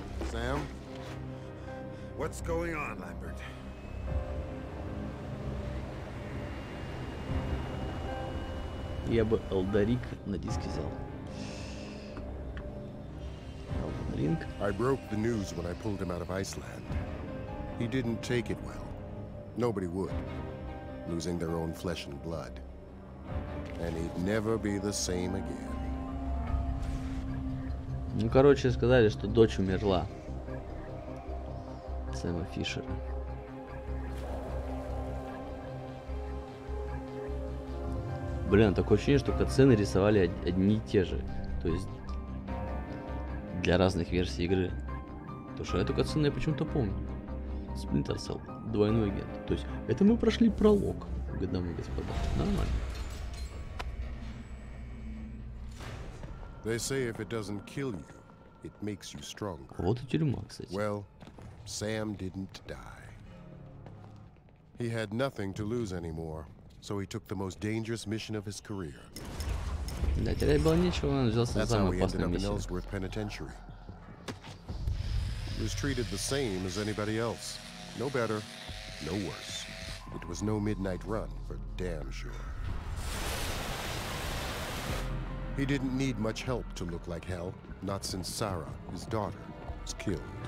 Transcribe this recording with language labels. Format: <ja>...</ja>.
<en>Сэм? What's going on, Lambert? Thank you.</en> <ru>я бы Элдарик на диске взял. Элдаринг.</ru> <en>I broke the news when I pulled him out of Iceland. He didn't take it well. Nobody would. Losing their own flesh and blood. And he'd never be the same again.</en> <ru>Ну, короче, сказали, что дочь умерла. Сэма Фишера. Блин, такое ощущение, что катсцены рисовали одни и те же. То есть, для разных версий игры. Потому что эту катсцену я почему-то помню. Splinter Cell, двойной агент. То есть, это мы прошли пролог, дамы и господа. Нормально.</ru> <en>They say if it doesn't kill you, it makes you stronger.</en> <ru>Вот и тюрьма, кстати.</ru> <en>Well, Sam didn't die. He had nothing to lose anymore, so he took the most dangerous mission of his career.</en> <ru>Да, терять было нечего, он взялся за самую опасную миссию.</ru> <en>That's how we ended up in Ellsworth Penitentiary. He was treated the same as anybody else. No better, no worse. It was no midnight run, for damn sure. He didn't need much help to look like hell. Not since Sarah, his daughter, was killed.</en>